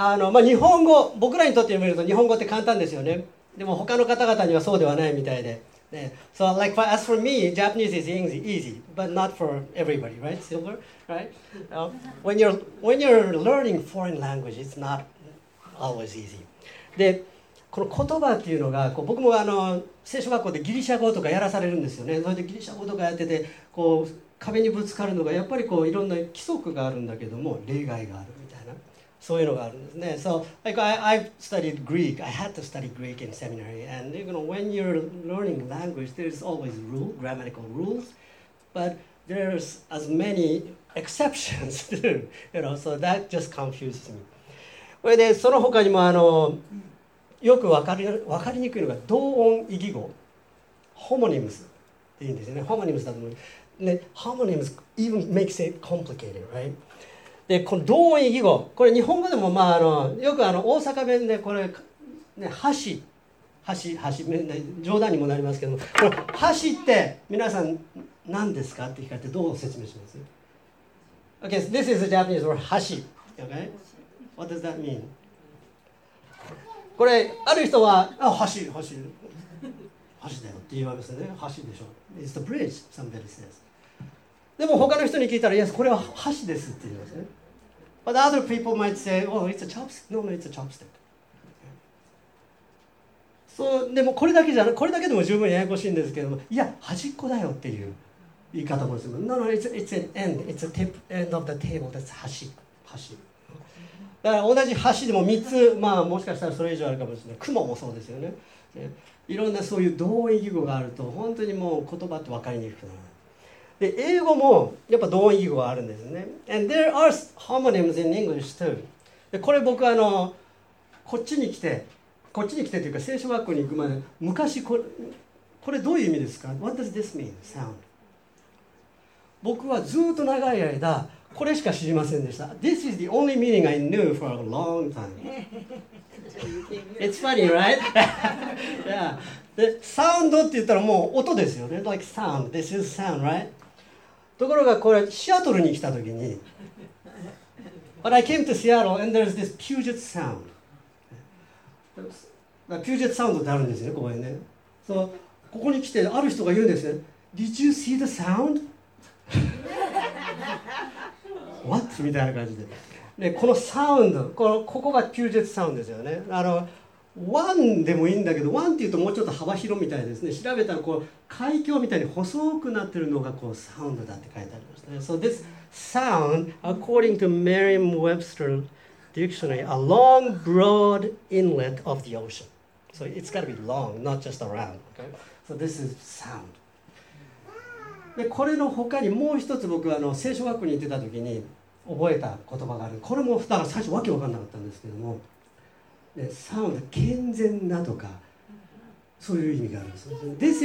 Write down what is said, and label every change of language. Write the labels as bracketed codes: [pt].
[ja] まあ、日本語、僕らにとって読めると日本語って簡単ですよね。でも他の方々にはそうではないみたいで。 [en] ね、so, like, for, as for me, Japanese is easy, but not for everybody, right, Silver? Right? When you're learning foreign language, it's not always easy. [ja] で、この言葉っていうのが、こう僕も聖書学校でギリシャ語とかやらされるんですよね。それでギリシャ語とかやってて、こう壁にぶつかるのが、やっぱりこういろんな規則があるんだけども、例外がある。そういうのがあるんですね。 [en] So, like, I had to study Greek in seminary. And you know, when you're learning language, there's always rule, grammatical rules, but there's as many exceptions too. You know, so that just confuses me. [ja] それでその他にもよく分かりにくいのが同音異義語、ホモニムスっていうんですよね。ホモニムスだと思う。ね、ホモニムス [en] even makes it complicated, right? [ja] でこの同音異義語、これ日本語でもまあよく大阪弁でこれ、ね、橋、ね、冗談にもなりますけども、これ橋って皆さん何ですかって聞かれてどう説明します？ [en] Okay, this is a Japanese word, 橋。Okay? What does that mean? [ja] これある人は、橋だよって言われますよね。橋でしょ。 [en] It's the bridge, somebody says. [ja] でも他の人に聞いたら、いや、これは箸ですって言いますね。 [en] But other people might say, oh, it's a chopstick. No, it's a chopstick. [ja] そう、でもこれだけでも十分ややこしいんですけども、いや、端っこだよっていう言い方もする。 [en] No, no, it's an end. It's a tip end of the table. That's 箸。 [ja] だから同じ箸でも3つ、まあもしかしたらそれ以上あるかもしれない。雲もそうですよね。いろんなそういう同音異義語があると、本当にもう言葉って分かりにくくなる。で英語もやっぱ同音異義語があるんですね。 [en] And there are homonyms in English too. [ja] でこれ僕こっちに来てというか聖書学校に行くまで昔これどういう意味ですか？ [en] What does this mean? Sound. [ja] 僕はずっと長い間これしか知りませんでした。 [en] This is the only meaning I knew for a long time. It's funny, right? yeah. [ja] で、サウンドって言ったらもう音ですよね。 [en] Like sound. This is sound, right? [ja] ところがこれシアトルに来たときに [en] But I came to Seattle and there's this Puget Sound. [ja] Puget Sound ってあるんですよ、ここにね。 So, ここに来てある人が言うんですね。 [en] Did you see the sound? [ja] What? みたいな感じで。でこのサウンド、ここが Puget Sound ですよね。 1でもいいんだけど、1っていうともうちょっと幅広みたいですね。調べたらこう海峡みたいに細くなってるのがこうサウンドだって書いてありますね。 [en] So this sound, according to Merriam-Webster Dictionary, a long, broad inlet of the ocean. So it's got to be long, not just around. Okay. So this is sound. [ja] でこれの他にもう一つ僕聖書学校に行ってた時に覚えた言葉がある。これも二最初わけわかんなかったんですけども。サウンド、健全なとか、そういう意味があるんです。